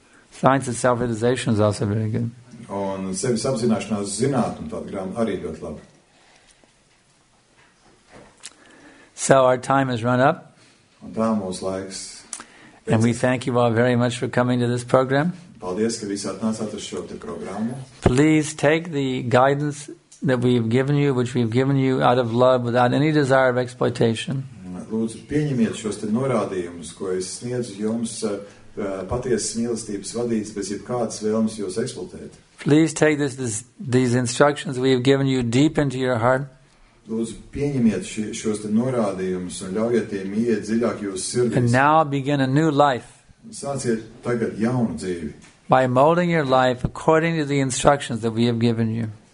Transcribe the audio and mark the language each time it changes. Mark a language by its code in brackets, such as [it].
[en] Science of Self-Realization is also very good. [lv] Un sevis apzināšanās zinātnē tāda grāmata arī ļoti labi. [en] So our time has run up. [lv] Un tā mūsu laiks. [en] And we thank you all very much for coming to this program. [lv] Paldies, ka visi atnācāt uz šo te programmu. [en] Please take the guidance that we've given you, which we've given you out of love, without any desire of exploitation. [lv] Lūdzu, pieņemiet šos te norādījumus, ko es sniedzu jums patiesas mīlestības vadīts, bez jebkādas vēlmes jūs eksploatēt. [en] Please take these instructions we have given you deep into your heart. [lv] Lūdzu, pieņemiet šos te norādījumus un ļaujiet tiem ieiet dziļāk jūsu sirdīs. [en] And now begin a new life. [lv] Sāciet tagad jaunu dzīvi. [en] By molding your life according to the instructions that we have given you.